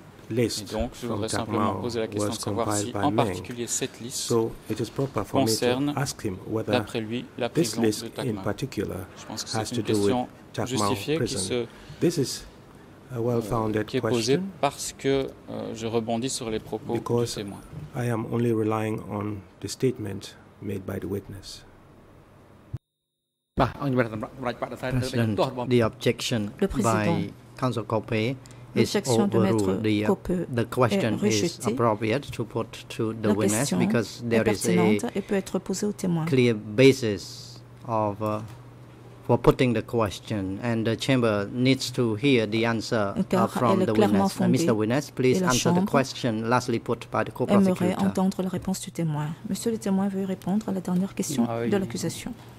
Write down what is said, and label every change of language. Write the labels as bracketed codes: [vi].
[fr] Et donc, je voudrais simplement poser la question de savoir si, en particulier, cette liste concerne, d'après lui, la prison de Takmao. Je pense que c'est une question justifiée qui se [en] This is a well-founded [fr] qui est posée [en] question, [fr] parce que je rebondis sur les propos du témoin. [en] I am only relying on the statement made by the witness. President, the objection by Counsel Coppé is overruled. The question is appropriate to put to the witness because there is a clear basis of for putting the question, and the chamber needs to hear the answer from the witness. Mr. Witness, please answer the question lastly put by the co-prosecutor. [fr] Aimerait entendre la réponse du témoin. Monsieur le témoin veut répondre à la dernière question de l'accusation.